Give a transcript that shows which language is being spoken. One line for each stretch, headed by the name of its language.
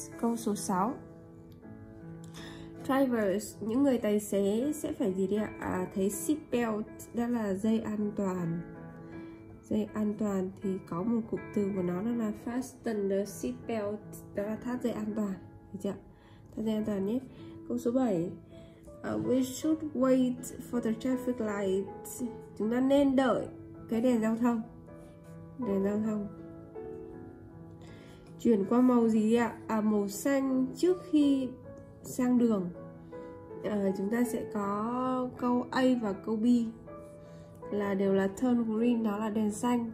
Vietnamese: Câu số 6, drivers, những người tài xế sẽ phải gì đây ạ? À, thấy seat belt, đó là dây an toàn. Dây an toàn thì có một cụm từ của nó, đó là
English: fasten the seat belt,
Vietnamese: đó là thắt dây an toàn. Được chưa? Thắt dây an toàn nhé. Câu số 7,
English: we should wait for the traffic light.
Vietnamese: Chúng ta nên đợi cái đèn giao thông. Đèn giao thông chuyển qua màu gì ạ? À, màu xanh trước khi sang đường. Chúng ta sẽ có câu A và câu B là đều là turn green, đó là đèn xanh.